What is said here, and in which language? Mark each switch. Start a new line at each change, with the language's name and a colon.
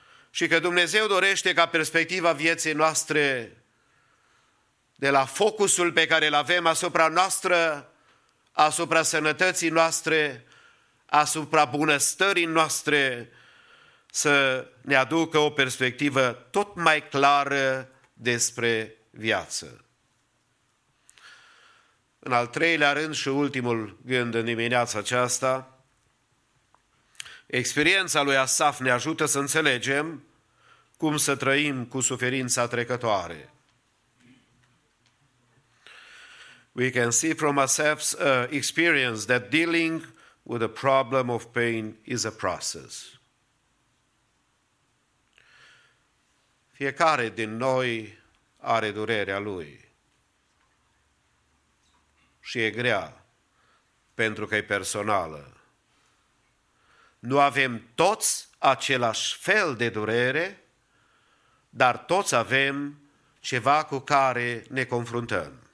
Romanian: Și că Dumnezeu dorește ca perspectiva vieții noastre, de la focusul pe care îl avem asupra noastră, asupra sănătății noastre, asupra bunăstării noastre, să ne aducă o perspectivă tot mai clară despre viață. În al treilea rând și ultimul gând în dimineața aceasta, experiența lui Asaf ne ajută să înțelegem cum să trăim cu suferința trecătoare.
English: We can see from Asaf's experience that dealing with the problem of pain is a process.
Romanian: Fiecare din noi are durerea lui. și e grea, pentru că e personală. Nu avem toți același fel de durere, dar toți avem ceva cu care ne confruntăm.